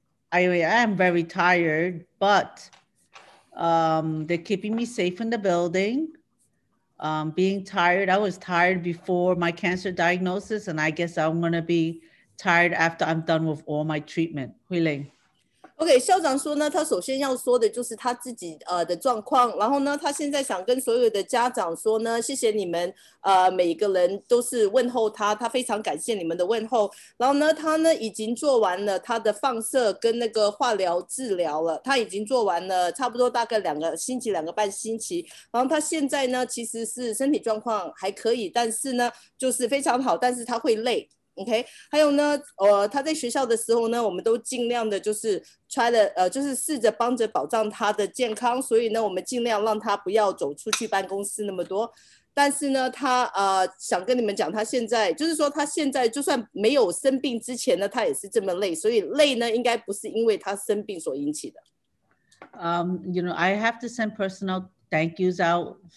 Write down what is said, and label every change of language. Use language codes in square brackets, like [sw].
[en] I am very tired, but they're keeping me safe in the building. Being tired, I was tired before my cancer diagnosis, and I guess I'm going to be tired after I'm done with all my treatment. Hui Ling. [zh] OK, 校长说呢，他首先要说的就是他自己的状况，然后呢，他现在想跟所有的家长说呢，谢谢你们每个人都是问候他，他非常感谢你们的问候。然后呢，他呢已经做完了他的放射跟那个化疗治疗了，他已经做完了差不多大概两个半星期。然后他现在呢其实是身体状况还可以，但是呢就是非常好，但是他会累。 OK， 还有呢，他在学校的时候呢，我们都尽量的就是就是试着帮着保障他的健康，所以呢，我们尽量让他不要走出去办公室那么多。但是呢，他想跟你们讲，他现在就是说，他现在就算没有生病之前呢，他也是这么累，所以累呢，应该不是因为他生病所引起的。 [en] You know, I have to send personal thank yous out.